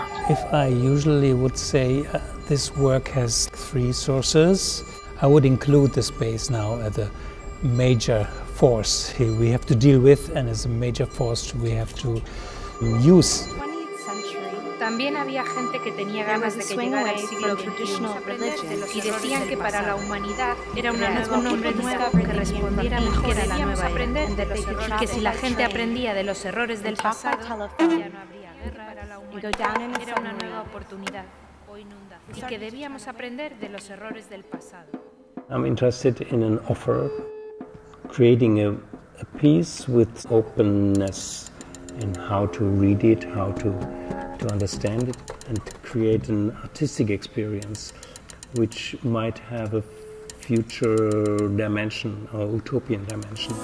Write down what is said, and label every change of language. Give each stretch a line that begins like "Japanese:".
English: If I usually would say this work has three sources, I would include the space now as a major force we have to deal with and as a major force we have to use.
Spanish: También había gente que tenía ganas de que llegara el siglo
English: traditional religion
Spanish: y decían que para la humanidad era un hombre nuevo que respondiera mejor que deberíamos aprender y que si la gente aprendía de los errores del pasado, ya no habría guerra para la humanidad. Era una nueva oportunidad o inundación y que debíamos aprender de los errores del pasado.
English: I'm interested in an offer, creating a piece with openness and how to read it, how to understand it and to create an artistic experience which might have a future dimension or utopian dimension.